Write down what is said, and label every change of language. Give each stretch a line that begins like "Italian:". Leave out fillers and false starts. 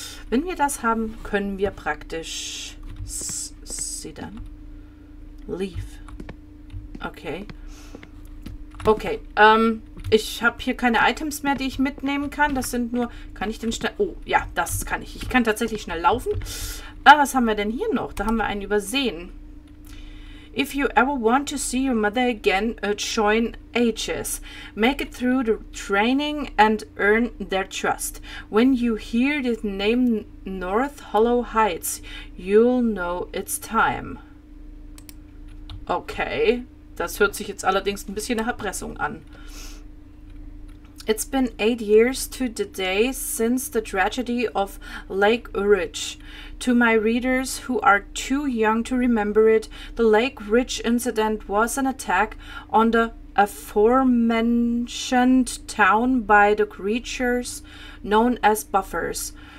German: Wenn wir das haben, können wir praktisch sie dann leave. Okay. Okay, ich habe hier keine Items mehr, die ich mitnehmen kann. Das sind nur... Kann ich den schnell... Oh, ja, das kann ich. Ich kann tatsächlich schnell laufen. Ah, was haben wir denn hier noch? Da haben wir einen übersehen.
English: If you ever want to see your mother again, join Aegis. Make it through the training and earn their trust. When you hear the name North Hollow Heights, you'll know it's time.
German: Okay. Das hört sich jetzt allerdings ein bisschen nach Erpressung an.
English: It's been 8 years to the day since the tragedy of Lake Ridge. To my readers who are too young to remember it, the Lake Ridge incident was an attack on the aforementioned town by the creatures known as Buffers.